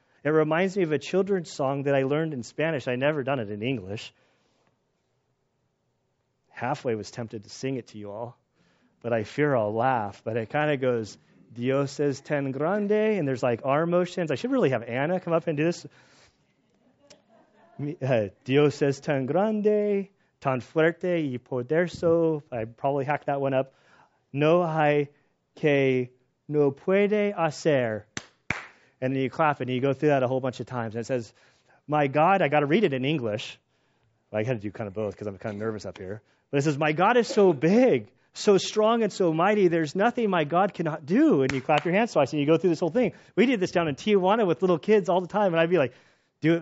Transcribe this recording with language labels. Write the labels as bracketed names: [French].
[English] It reminds me of a children's song that I learned in Spanish. I never done it in English. Halfway was tempted to sing it to you all, but I fear I'll laugh. But it kind of goes, [Spanish] Dios es tan grande, [English] and there's like arm motions. I should really have Anna come up and do this. [Spanish] Dios es tan grande, tan fuerte y poderoso. [English] I probably hacked that one up. [Spanish] No hay que no puede hacer. [English] And then you clap and you go through that a whole bunch of times. And it says, my God, I got to read it in English. Well, I got to do kind of both because I'm kind of nervous up here. But it says, my God is so big, so strong and so mighty. There's nothing my God cannot do. And you clap your hands twice and you go through this whole thing. We did this down in Tijuana with little kids all the time. And I'd be like, do it.